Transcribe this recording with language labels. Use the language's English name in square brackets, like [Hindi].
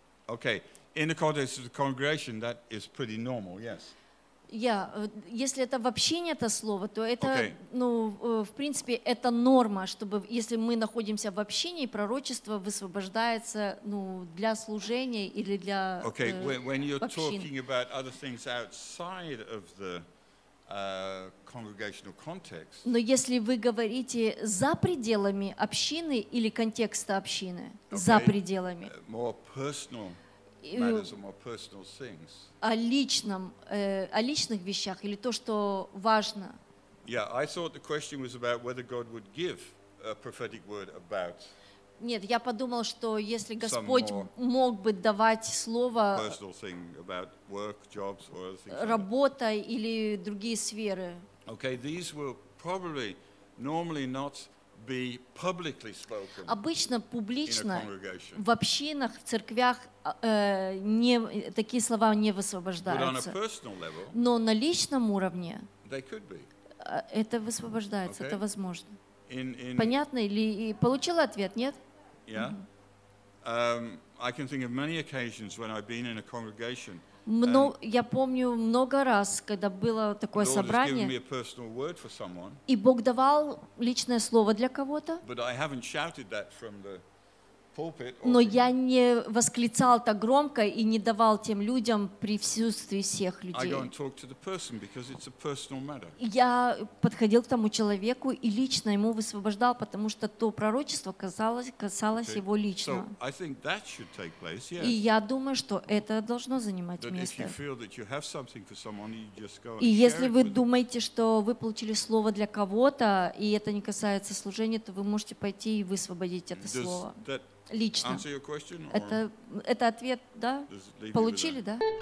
[English] Okay, in the context of the congregation, that is pretty normal, yes. [Russian] Yeah, если это в общине это слово, то это, ну, в принципе, это норма, чтобы, если мы находимся в общине, пророчество высвобождается, ну, для служения или для общин. [English] Okay, when you're talking about other things outside of the congregational context. [Russian] Но если вы говорите за пределами общины или контекста общины, [English] okay. [Russian] за пределами. [English] More personal matters or more personal things. [Russian] О личном, о личных вещах или то, что важно. [English] Yeah, I thought the question was about whether God would give a prophetic word about. [Russian] Нет, я подумал, что если Господь мог бы давать слово [English] work, jobs, [Russian] работа [English] like [Russian] или другие сферы. [English] Okay, these will probably normally not be publicly spoken. [Russian] Обычно публично [English] in a congregation. [Russian] В общинах, в церквях не, такие слова не высвобождаются. [English] But on a personal level, [Russian] но на личном уровне [English] they could be. [Russian] Это высвобождается, [English] okay. [Russian] это возможно. [English] In [Russian] понятно или получила ответ, нет? [English] Yeah. I can think of many occasions when I've been in a congregation. [Russian] Я помню много раз, когда было такое собрание. [English] Has given me a personal word for someone. [Russian] И Бог давал личное слово для кого-то. [English] But I haven't shouted that from the pulpit. [Russian] Но я не восклицал так громко и не давал тем людям присутствии всех людей. [English] I go and talk to the person because it's a personal matter. [Russian] Я подходил к тому человеку и лично ему высвобождал, потому что то пророчество касалось его лично. [English] So I think that should take place, yes. [Russian] И я думаю, что это должно занимать место. [English] If you feel that you have something for someone, you just go and [Russian] и если вы думаете, что вы получили слово для кого-то, и это не касается служения, то вы можете пойти и высвободить это слово. [English] Answer your question? [Russian] Это ответ, да? Получили, да?